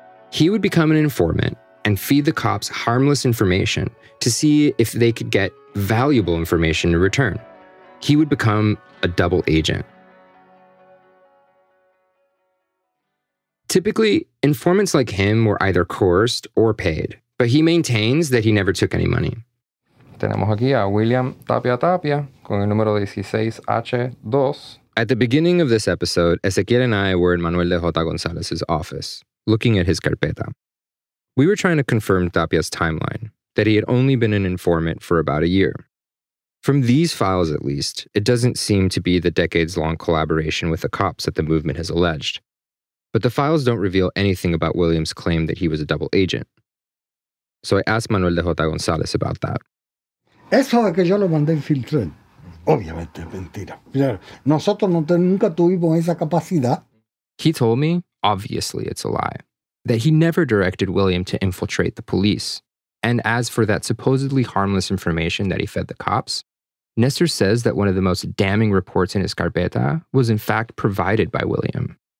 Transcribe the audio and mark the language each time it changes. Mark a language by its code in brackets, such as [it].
[en] He would become an informant and feed the cops harmless information to see if they could get valuable information in return. He would become a double agent. Typically, informants like him were either coerced or paid, but he maintains that he never took any money. [es] Tenemos aquí a William Tapia Tapia con el número 16H2. [en] At the beginning of this episode, Ezequiel and I were in Manuel de J. González's office, looking at his carpeta. We were trying to confirm Tapia's timeline, that he had only been an informant for about a year. From these files, at least, it doesn't seem to be the decades-long collaboration with the cops that the movement has alleged. But the files don't reveal anything about William's claim that he was a double agent. So I asked Manuel de J. González about that. [es] Eso de que yo lo mandé infiltrar, obviamente es mentira. Nosotros nunca tuvimos esa capacidad. [en] He told me, obviously it's a lie, that he never directed William to infiltrate the police. And as for that supposedly harmless information that he fed the cops, Nestor says that one of the most damning reports in his carpeta was in fact provided by William.